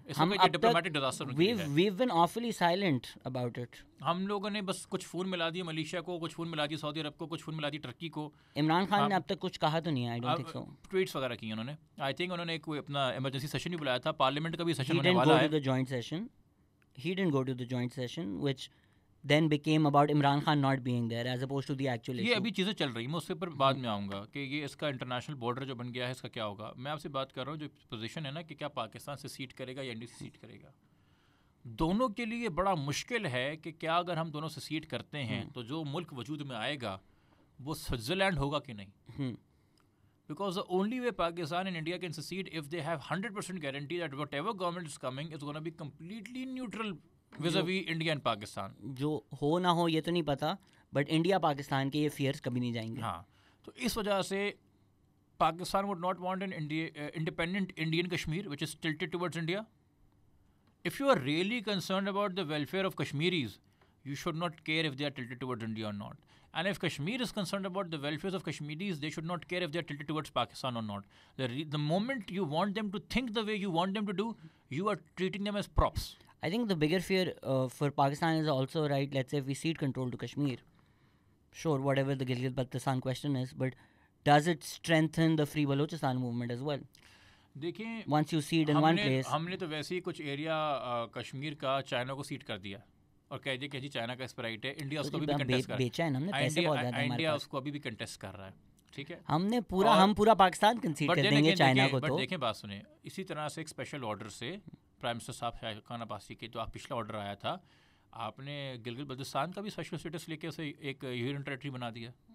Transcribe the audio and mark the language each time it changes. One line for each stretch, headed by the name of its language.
Urdu: اس میں یہ diplomatic disaster ہو گیا ہے.
English: We have been awfully silent about it.
Urdu: ہم لوگوں نے بس کچھ فون ملا دیے ملیشیا کو, کچھ فون ملا دیے سعودی عرب کو, کچھ فون ملا دیے ٹرکی کو. عمران خان نے اب تک کچھ کہا تو نہیں ہے,
English: I don't think so.
Urdu: Tweets وغیرہ کیے انہوں نے, آئی تھنک انہوں نے کوئی اپنا ایمرجنسی سیشن بھی بلایا تھا, پارلیمنٹ کا بھی سیشن ہونے والا ہے.
English: He didn't go to the joint session, which then became about Imran Khan not being there as opposed to the actual issue.
Urdu: یہ ابھی چیزیں چل رہی ہیں, میں اس سے پر بعد میں آؤں گا کہ یہ اس کا انٹرنیشنل بارڈر جو بن گیا ہے اس کا کیا ہوگا. میں آپ سے بات کر رہا ہوں جو پوزیشن ہے نا کہ کیا پاکستان سے سیٹ کرے گا یا انڈیا سے سیٹ کرے گا. دونوں کے لیے بڑا مشکل ہے کہ کیا اگر ہم دونوں سے سیٹ کرتے ہیں تو جو ملک وجود میں آئے گا وہ سوئٹزرلینڈ ہوگا کہ نہیں.
English: Because the only way Pakistan and India can set if they have 100% guarantee that whatever government is coming is gonna be completely neutral vis-a-vis India and Pakistan.
Urdu: جو ہو نہ ہو یہ تو نہیں پتا, بٹ انڈیا پاکستان کے یہ فیئرس کبھی نہیں جائیں گے. ہاں, تو اس وجہ سے
English: Pakistan would not want an independent Indian Kashmir which is tilted towards India. If you are really concern about the welfare of Kashmiris, you should not care if they are tilted towards India or not. And if Kashmir is concern about the welfare of Kashmiris, they should not care if they are tilted towards Pakistan or not. The moment you want them to think the way you want them to do, you are treating them as props. I think the bigger fear for Pakistan is also right. Let's say if we cede control to Kashmir, sure, whatever the Gilgit-Baltistan question is, but does it strengthen the free Balochistan movement as well?
Urdu: دیکھیں,
English: once you cede in one place,
Urdu: ہم نے تو ویسے ہی کچھ area Kashmir کا China کو sad کر دیا اور کہہ دیا کہ جی چائنا کا اس پہ رائٹ ہے, انڈیا اس کو بھی بیچا ہے نا, ہم نے پیسے بہت زیادہ ہمارے پاس, انڈیا اس کو ابھی بھی کنٹیسٹ کر رہا ہے. ٹھیک ہے, ہم نے پورا, ہم پورا پاکستان کنسیڈ کر دیں گے چائنا کو. تو دیکھیں بات سنیں, اسی طرح سے ایک اسپیشل آرڈر سے پرائم منسٹر صاحب خان عباسی کے, تو آپ پچھلا آرڈر آیا تھا, آپ نے گلگت بلتستان کا بھی اسپیشل اسٹیٹس لے کے اسے ایک یونین ٹریٹری بنا دیا.